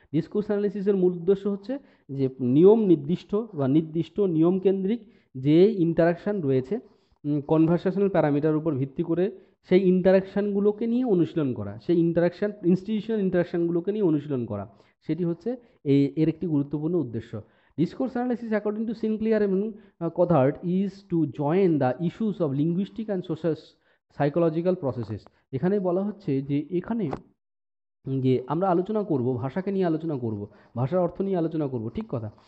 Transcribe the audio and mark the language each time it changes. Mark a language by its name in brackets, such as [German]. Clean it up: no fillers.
[Bangla] Discourse অ্যানালাইসিসের মূল উদ্দেশ্য হচ্ছে যে নিয়ম নির্দিষ্ট বা নির্দিষ্ট নিয়মকেন্দ্রিক যে ইন্টারাকশান রয়েছে কনভার্সেশনাল প্যারামিটার উপর ভিত্তি করে, সেই ইন্টারাকশানগুলোকে নিয়ে অনুশীলন করা, সেই ইন্টারাকশান ইনস্টিটিউশনাল ইন্টারাকশানগুলোকে নিয়ে অনুশীলন করা, সেটি হচ্ছে এর একটি গুরুত্বপূর্ণ উদ্দেশ্য। [English] Discourse analysis, according to Sinclair and Cothard, is to join the issues of linguistic and social psychological processes. [Bangla] এখানে বলা হচ্ছে যে এখানে যে আমরা আলোচনা করব, ভাষাকে নিয়ে আলোচনা করব, ভাষার অর্থ নিয়ে আলোচনা করব, ঠিক কথা।